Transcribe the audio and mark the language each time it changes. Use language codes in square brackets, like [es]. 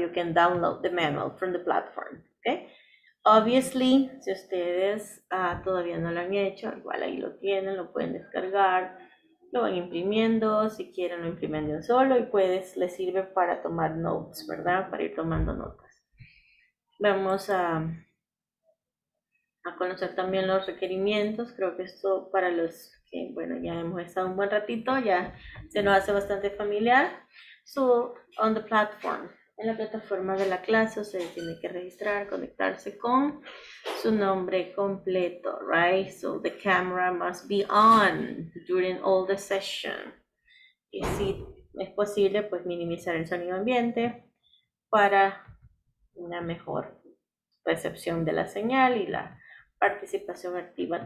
[en] You can download the manual from the platform, okay? [es] Obviously, si ustedes todavía no lo han hecho, igual ahí lo tienen, lo pueden descargar, lo van imprimiendo, si quieren lo imprimen de un solo y pues les sirve para tomar notes, ¿verdad? Para ir tomando notas. Vamos a conocer también los requerimientos. Creo que esto para los que, bueno, ya hemos estado un buen ratito, ya se nos hace bastante familiar. [en] So, on the platform. [es] En la plataforma de la clase se tiene que registrar, conectarse con su nombre completo, right? [en] So the camera must be on during all the session. [es] Y si es posible, pues minimizar el sonido ambiente para una mejor recepción de la señal y la participación activa.